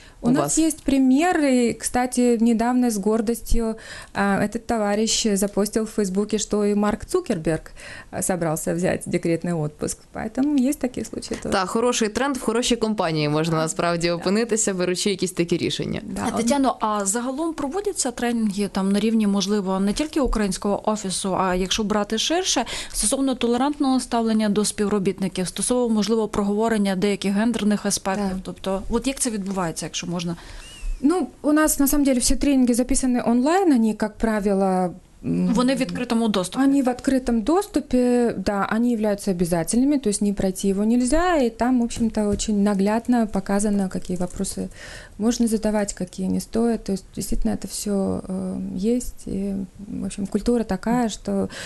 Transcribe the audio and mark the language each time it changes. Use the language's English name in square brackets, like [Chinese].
[Russian] У нас есть пример, и, кстати, недавно с гордостью этот товарищ запостил в Фейсбуке, что и Марк Цукерберг собрался взять декретный отпуск. Поэтому есть такие случаи тоже. Да, хороший тренд, в хорошей компании можно, [Ukrainian] насправді, опинитися, беручи якісь такі рішення. Тетяно, а загалом проводяться тренінги на рівні, можливо, не тільки українського офісу, а якщо брати ширше, стосовно толерантного ставлення до співробітників, стосовно, можливо, проговорення деяких гендерних аспектів. Тобто, як це відбувається, якщо можна? [Russian] У нас, на самом деле, все тренинги записаны онлайн, они, как правило... [Ukrainian] Вони в відкритому доступі. Вони в відкритому доступі, да, вони являються обов'язковими, тобто не пройти його не можна, і там, [Russian] в общем-то, [Ukrainian] дуже наглядно показано, які питання можна задавати, які не стоять. Тобто, дійсно, це все є, і, в общем, культура така, що...